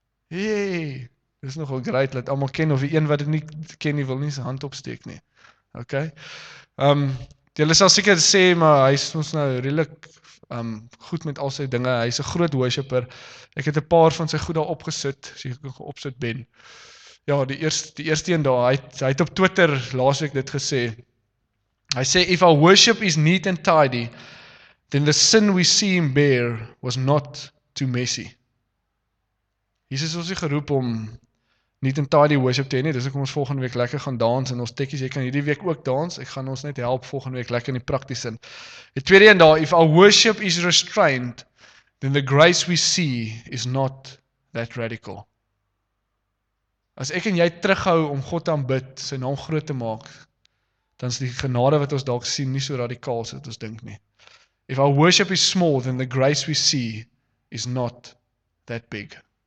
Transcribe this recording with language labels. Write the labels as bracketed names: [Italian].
[Afrikaans] Hey, dis nogal great dat almal ken of die een wat dit nie ken nie wil nie sy hand opsteek nie. OK. Julle sal seker sê maar hy's ons nou redelik goed met al sy dinge. Hy's 'n groot worshipper. Ek het 'n paar van sy goed daar opgesit, as jy kan opsit Ben. Ja, die eerste een daar, hy het op Twitter laasweek dit gesê. Hy sê [English] if our worship is neat and tidy, then the sin we see him bear was not too messy. [Afrikaans] Jesus ons nie geroep om [English] neat and tidy worship [Afrikaans] te hê nie. Dis hoekom ons volgende week lekker gaan dans en ons tekkies, jy kan hierdie week ook dans. Ek gaan ons net help volgende week lekker in die praktiese sin. Die tweede een daar, [English] if our worship is restrained, then the grace we see is not that radical. [Afrikaans] As ek en jy terughou om God te aanbid, sy naam groot te maak, dan is die genade wat ons dalk sien nie so radikaal soos ons dink nie. [English] If our worship is small, then the grace we see is not that big.